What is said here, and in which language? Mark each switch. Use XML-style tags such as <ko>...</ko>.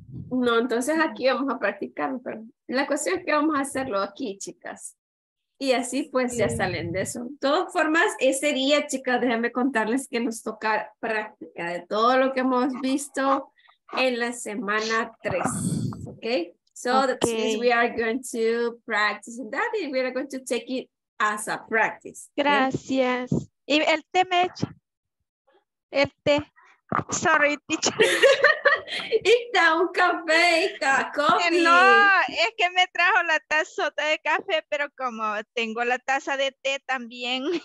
<es>No, entonces aquí vamos a practicar, pero la cuestión es que vamos a hacerlo aquí, chicas. Y así pues sí. Ya salen de eso. De todas formas, ese día, chicas, déjenme contarles que nos toca práctica de todo lo que hemos visto en la semana 3, ¿ok? So okay.</es> <en>Since we are going to practice that, and we are going to take it as a practice.</en> <es>Gracias. ¿Okay? Y el té, Mech. El té.</es> <en>Sorry, teacher.</en> <es>Está un café, está coffee. No, es que me trajo la tazota de café, pero como tengo la taza de té también.</es>